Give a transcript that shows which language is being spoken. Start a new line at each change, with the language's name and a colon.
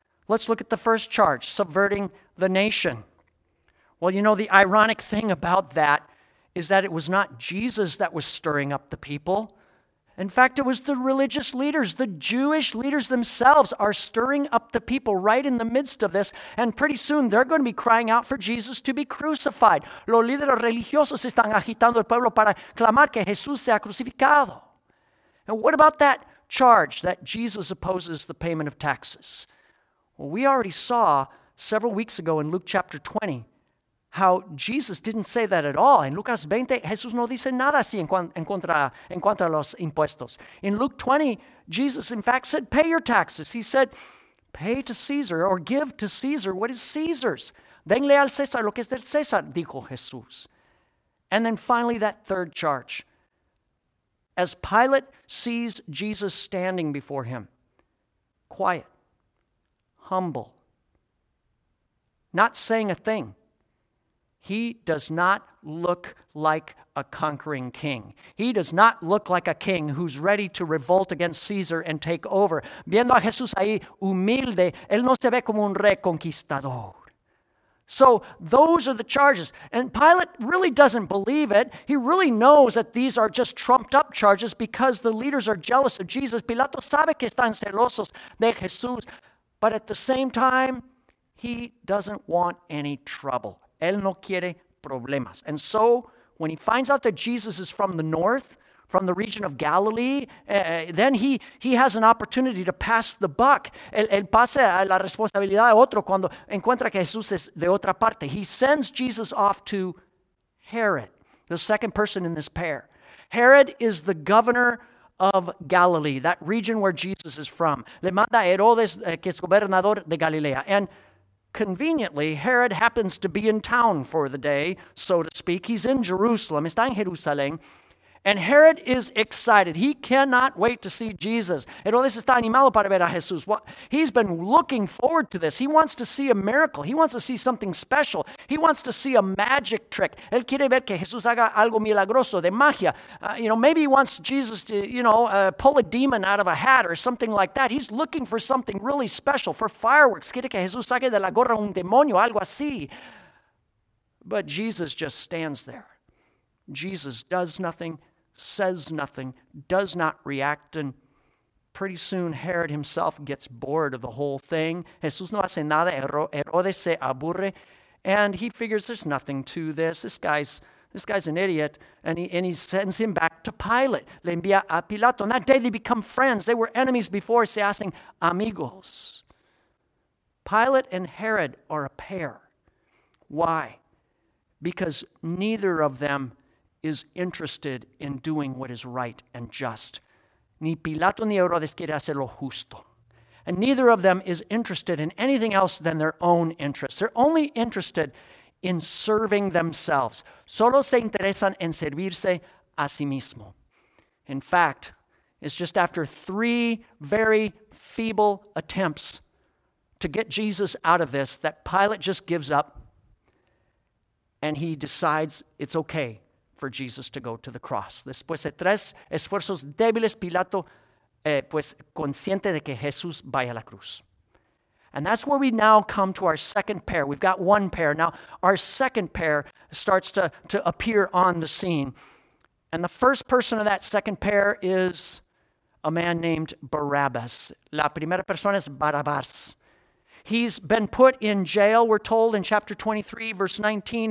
English: Let's look at the first charge, subverting the nation. Well, you know, the ironic thing about that is that it was not Jesus that was stirring up the people. In fact, it was the religious leaders, the Jewish leaders themselves are stirring up the people right in the midst of this, and pretty soon they're going to be crying out for Jesus to be crucified.
Spanish: Los líderes religiosos están agitando el pueblo para clamar que Jesús sea crucificado.
English: And what about that charge that Jesus opposes the payment of taxes? Well, we already saw several weeks ago in Luke chapter 20, how Jesus didn't say that at all.
Spanish: In Lucas 20, Jesús no dice nada así en contra de los impuestos.
English: In Luke 20, Jesus in fact said, pay your taxes. He said, pay to Caesar or give to Caesar what is Caesar's.
Spanish: Denle al César lo que es del César, dijo Jesús.
English: And then finally that third charge. As Pilate sees Jesus standing before him, quiet, humble, not saying a thing, he does not look like a conquering king. He does not look like a king who's ready to revolt against Caesar and take over.
Spanish: Viendo a Jesús ahí humilde, él no se ve como un reconquistador.
English: So those are the charges. And Pilate really doesn't believe it. He really knows that these are just trumped up charges because the leaders are jealous of Jesus.
Spanish: Pilato sabe que están celosos de Jesús.
English: But at the same time, he doesn't want any trouble.
Spanish: Él no quiere problemas.
English: And so, when he finds out that Jesus is from the north, from the region of Galilee, then he has an opportunity to pass the buck.
Spanish: Él pasa la responsabilidad a otro cuando encuentra que Jesús es de otra parte.
English: He sends Jesus off to Herod, the second person in this pair. Herod is the governor of Galilee, that region where Jesus is from.
Spanish: Le manda Herodes, que es gobernador de Galilea.
English: And conveniently, Herod happens to be in town for the day, so to speak. He's in Jerusalem.
Spanish: Está en Jerusalén.
English: And Herod is excited. He cannot wait to see Jesus.
Spanish: Herodes está animado para ver a Jesús.
English: He's been looking forward to this. He wants to see a miracle. He wants to see something special. He wants to see a magic trick.
Spanish: Él quiere ver que Jesús haga algo milagroso, de magia.
English: You know, maybe he wants Jesus to, you know, pull a demon out of a hat or something like that. He's looking for something really special, for fireworks.
Spanish: Quiere que Jesús saque de la gorra un demonio, algo así.
English: But Jesus just stands there. Jesus does nothing, says nothing, does not react, and pretty soon Herod himself gets bored of the whole thing.
Spanish: Jesús no hace nada, Herodes se aburre,
English: and he figures there's nothing to this. This guy's an idiot, and he sends him back to Pilate.
Spanish: Le envía a Pilato.
English: And that day they become friends. They were enemies before,
Spanish: se hacen amigos.
English: Pilate and Herod are a pair. Why? Because neither of them is interested in doing what is right and just.
Spanish: Ni Pilato ni Herodes quiere hacer lo justo.
English: And neither of them is interested in anything else than their own interests. They're only interested in serving themselves.
Spanish: Solo se interesan en servirse a sí mismo.
English: In fact, it's just after three very feeble attempts to get Jesus out of this that Pilate just gives up and he decides it's okay for Jesus to go to the cross.
Spanish: Después de tres esfuerzos débiles, Pilato, pues consciente de que Jesús vaya a la cruz.
English: And that's where we now come to our second pair. We've got one pair. Now, our second pair starts to appear on the scene. And the first person of that second pair is a man named Barabbas.
Spanish: La primera persona es Barabbas.
English: He's been put in jail, we're told in chapter 23, verse 19.